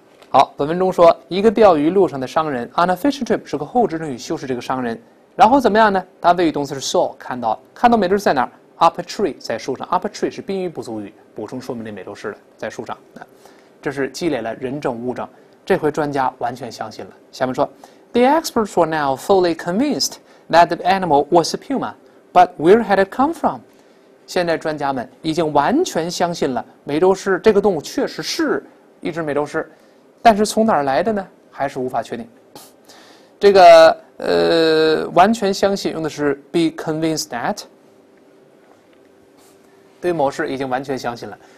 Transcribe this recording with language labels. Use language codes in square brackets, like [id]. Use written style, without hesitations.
[zh] 好，本文中说一个钓鱼路上的商人 on a fishing trip 是个后置定语修饰这个商人，然后怎么样呢？它谓语动词是 saw 看到，看到美洲是在哪儿？ Up a tree 在树上， up a tree 是宾语补足语，补充说明的美洲是的，在树上啊。这是积累了人证物证，这回专家完全相信了。下面说。 [en] The experts were now fully convinced that the animal was a puma, but where had it come from? [zh] 现在专家们已经完全相信了美洲狮这个动物确实是一只美洲狮，但是从哪儿来的呢？还是无法确定。这个完全相信用的是 be convinced that，对某事已经完全相信了。